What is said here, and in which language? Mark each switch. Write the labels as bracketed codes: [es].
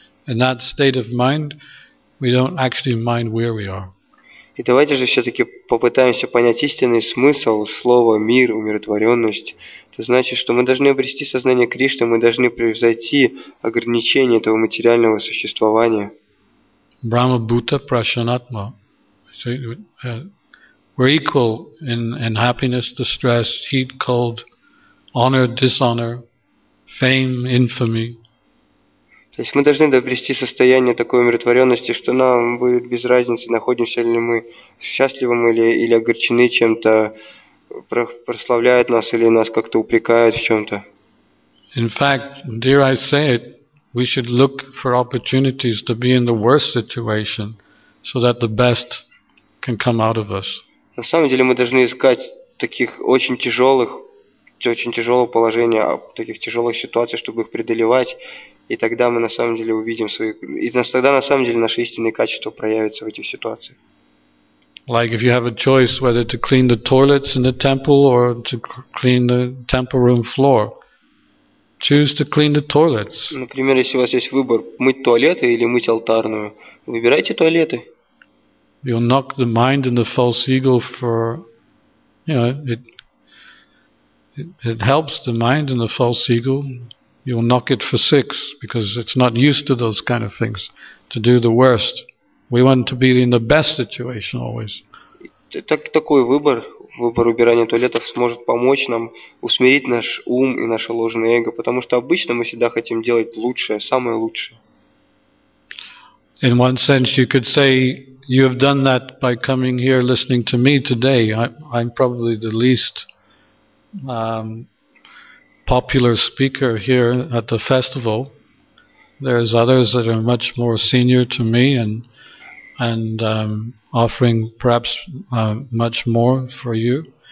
[en] In that state of mind, we don't actually mind where we are. [ru] И давайте же все-таки попытаемся понять истинный смысл слова «мир», «умиротворенность». Это значит, что мы должны обрести сознание Кришны, мы должны превзойти ограничения этого материального существования. [sa] Brahma Bhuta Prashanatma. [en] We're equal in happiness, distress, heat, cold, honor, dishonor, fame, infamy. [ru] То есть мы должны добрести состояние такой умиротворенности, что нам будет без разницы, находимся ли мы счастливым или огорчены чем-то, прославляют нас или нас как-то упрекают в чем-то. [en] In fact, dare I say it, we should look for opportunities to be in the worst situation, so that the best can come out of us. [ru] На самом деле мы должны искать таких очень тяжелых, очень тяжелого положения, таких тяжелых ситуаций, чтобы их преодолевать. И тогда мы на самом деле увидим свои, и тогда на самом деле наши истинные качества проявятся в этих ситуациях. [en] Like if you have a choice whether to clean the toilets in the temple or to clean the temple room floor, choose to clean the toilets. [ru] Например, если у вас есть выбор мыть туалеты или мыть алтарную, выбирайте туалеты. [en] You'll knock the mind and the false ego for, you know, it helps the mind and the false ego. You'll knock it for six because it's not used to those kind of things, to do the worst. We want to be in the best situation always. [ru] Такой выбор убирания туалетов сможет помочь нам усмирить наш ум и наше ложное эго, потому что обычно мы всегда хотим делать лучшее, самое лучшее. [en] In one sense, you could say you have done that by coming here, listening to me today. I'm probably the least popular speaker here at the festival. There's others that are much more senior to me and offering perhaps much more for you.